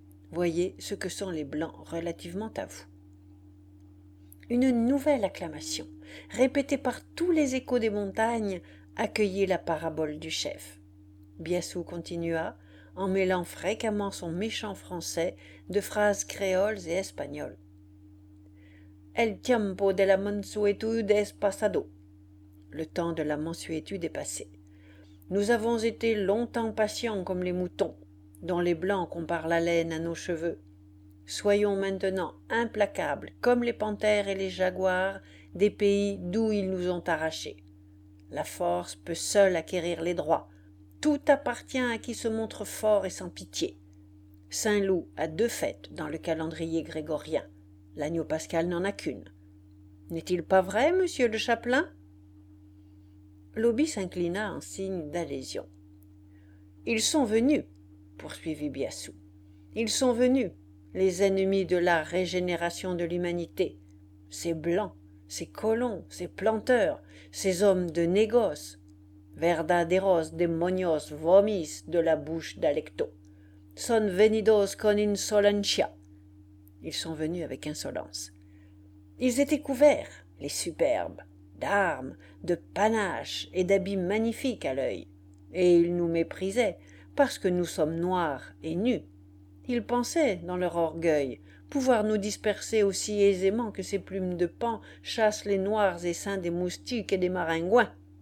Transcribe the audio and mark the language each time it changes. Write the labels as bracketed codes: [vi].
[fr] Voyez ce que sont les blancs relativement à vous. Une nouvelle acclamation, répétée par tous les échos des montagnes, accueillit la parabole du chef. Biassou continua, en mêlant fréquemment son méchant français de phrases créoles et espagnoles. [es] El tiempo de la mansuétude es pasado. [fr] Le temps de la mansuétude est passé. Nous avons été longtemps patients comme les moutons, dont les blancs comparent la laine à nos cheveux. Soyons maintenant implacables comme les panthères et les jaguars des pays d'où ils nous ont arrachés. La force peut seule acquérir les droits. Tout appartient à qui se montre fort et sans pitié. Saint-Loup a deux fêtes dans le calendrier grégorien. L'agneau pascal n'en a qu'une. N'est-il pas vrai, monsieur le chapelain ? L'obi s'inclina en signe d'adhésion. Ils sont venus, poursuivit Biassou. Ils sont venus, les ennemis de la régénération de l'humanité. Ces blancs, ces colons, ces planteurs, ces hommes de négoce, [es] verdaderos demonios [fr] vomis de la bouche d'Alecto. [es] Son venidos con insolencia. [fr] Ils sont venus avec insolence. Ils étaient couverts, les superbes, d'armes, de panaches et d'habits magnifiques à l'œil. Et ils nous méprisaient, parce que nous sommes noirs et nus. Ils pensaient, dans leur orgueil, pouvoir nous disperser aussi aisément que ces plumes de paon chassent les noirs essaims des moustiques et des maringouins.